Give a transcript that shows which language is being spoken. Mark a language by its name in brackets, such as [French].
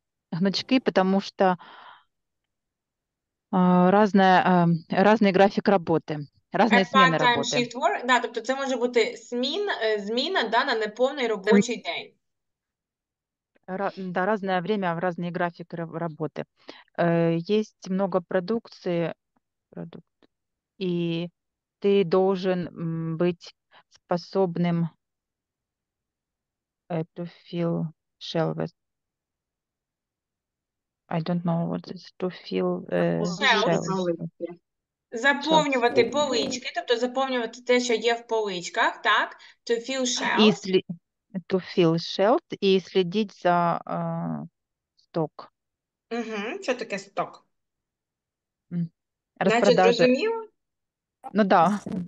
[Russian] Гнучки, потому что разный график работы, разные смены работы. [English] Shift work, [Ukrainian] да, тобто це може бути зміна, да, на неповний робочий день. [Russian] Да, разное время, разные графики работы. Есть много продукции, и ты должен быть способным [English] to fill shelves. I don't know what is to fill shelves. [Ukrainian] Заповнювати полички, тобто заповнювати те, що є в поличках, так? [English] To fill shelves. To fill shelf [Ukrainian] і слідіть за сток. Угу, що таке сток? Розпродажа. Ну да.